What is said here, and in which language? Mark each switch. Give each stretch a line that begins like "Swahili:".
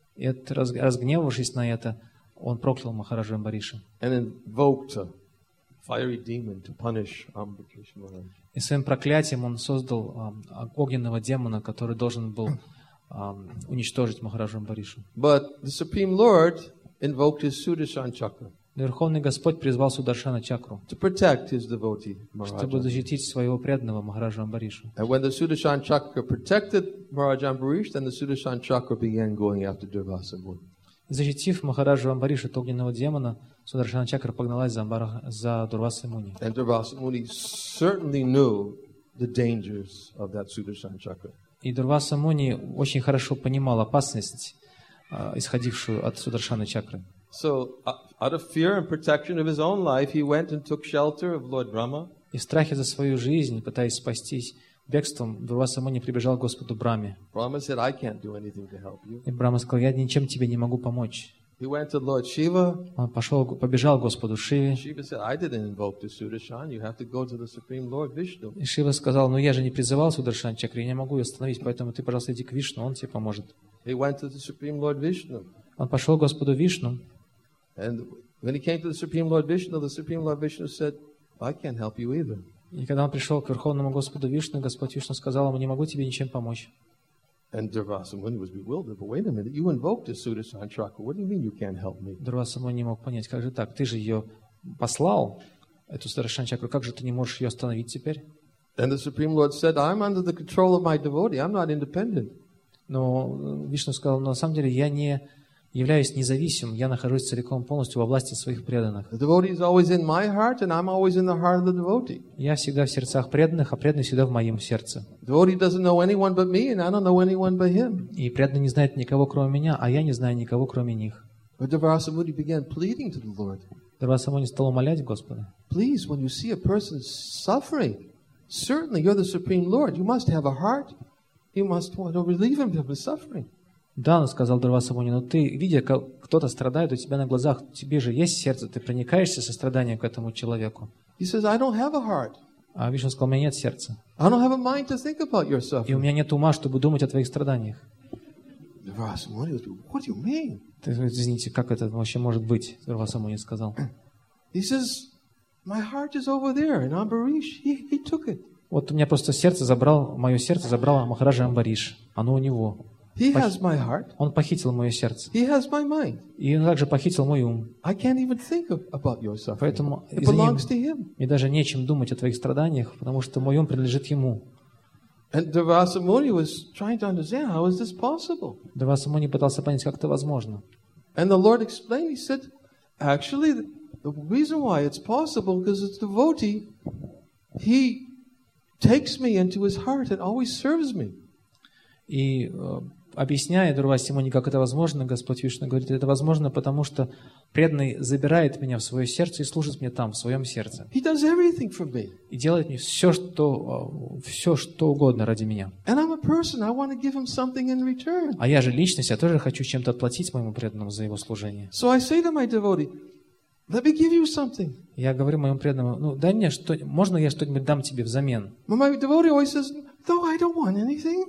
Russian: И разгневавшись на это, он проклял Махараджу Амбариша.
English: And invoked a fiery demon to punish Ambarish Maharaj.
Russian: И своим проклятием он создал огненного демона, который должен был уничтожить Махараджу Амбаришу.
English: But the Supreme Lord invoked his Sudarshan Chakra.
Russian: Верховный Господь призвал Сударшана Чакру, чтобы защитить своего преданного Махараджа Амбариша. И когда Сударшан Чакра защитил Махараджа Амбариша, тогда Сударшан Чакра начал гоняться за Дурвасса Муни. Защитив Махараджа Амбариша от огненного демона, Сударшана Чакра погналась за Дурвасса Муни.
English: И Дурвасса Муни certainly knew the dangers of that Sudarshan Chakra.
Russian: И Дурвасса Муни очень хорошо понимал опасность, исходившую от Сударшана Чакры.
English: So, out of fear and protection of his own life, he went and took shelter of Lord Brahma.
Russian: Из страха за свою жизнь, пытаясь спастись бегством, Дурвасса Муни прибежал к Господу Брахме.
English: Brahma said, "I can't do anything to help you."
Russian: И Брахма сказал: "Я ничем тебе не могу помочь."
English: He went to Lord Shiva.
Russian: Он побежал к Господу Шиве.
English: Shiva said, "I didn't invoke the Sudarshan. You have to go to the Supreme Lord Vishnu."
Russian: И Шива сказал: "Ну я же не призывал Сударшан Чакры, я не могу ее остановить, поэтому ты, пожалуйста, иди к Вишну, он тебе поможет."
English: He went to the Supreme Lord Vishnu.
Russian: Он пошел к Господу Вишну.
English: And when he came to the Supreme Lord Vishnu said, "I can't help you either."
Russian: И когда он пришел к Верховному Господу Вишну, Господь Вишну сказал ему: "Не могу тебе ничем помочь."
English: And Durvasa Muni was bewildered. "But wait a minute! You invoked the Sudarshan Chakra. What do you mean you can't help me?"
Russian: Дурвасса Муни не мог понять, как же так? Ты же ее послал, эту Сударшан Чакру. Как же ты не можешь ее остановить теперь?
English: And the Supreme Lord said, "I'm under the control of my devotee. I'm not independent."
Russian: Но Вишну сказал: "Но на самом деле я не являюсь независимым, я нахожусь целиком полностью во власти своих преданных.
English: The devotee is always in my heart, and I'm always in the heart of the devotee.
Russian: Я всегда в сердцах преданных, а преданный всегда в моем сердце.
English: The devotee doesn't know anyone but me, and I don't know anyone but him.
Russian: И преданный не знает никого кроме меня, а я не знаю никого кроме них.
English: But Durvasa Muni began pleading to the Lord.
Russian: Дурвасса Муни стал умолять Господа.
English: Please, when you see a person suffering, certainly you're the Supreme Lord. You must have a heart. You must want to relieve him from his suffering.
Russian: Да, он сказал Дурвасса Муни, но ты, видя, как кто-то страдает у тебя на глазах, тебе же есть сердце, ты проникаешься состраданием к этому человеку.
English: He says, "I don't have a heart."
Russian: А Вишну сказал: "У меня нет сердца.
English: I don't have a mind to think about your suffering."
Russian: И у меня нет ума, чтобы думать о твоих страданиях.
English: Дурвасса Муни was, "What do you mean?"
Russian: Ты говоришь: "Извините, как это вообще может быть?" Дурвасса Муни сказал.
English: He says, "My heart is over there, and Ambarish, he took it."
Russian: Вот у меня просто сердце забрал, мое сердце забрало Махараджа Амбариш. Оно у него.
English: He has my heart.
Russian: Он похитил мое сердце.
English: He has my mind.
Russian: И он также похитил мой ум.
English: I can't even think about your suffering.
Russian: Поэтому
English: it belongs to him.
Russian: Мне даже нечем думать о твоих страданиях, потому что мой ум принадлежит ему.
English: And Durvasa Muni was trying to understand how is this possible.
Russian: Дурвасса Муни пытался понять, как это возможно.
English: And the Lord explained. He said, "Actually, the reason why it's possible because it's the devotee. He takes me into his heart and always serves me.
Russian: И объясняя Дурвасимуни, как это возможно, Господь Вишна говорит, это возможно, потому что преданный забирает меня в свое сердце и служит мне там, в своем сердце.
English: He does everything for me.
Russian: И делает мне все, что угодно ради меня.
English: And I'm a person, I want to give him something in return.
Russian: А я же личность, я тоже хочу чем-то отплатить моему преданному за его служение.
English: So I say to my devotee, let me give you something.
Russian: Я говорю моему преданному, ну дай мне что, можно я что-нибудь дам тебе взамен?
English: My devotee always says, no, I don't want anything.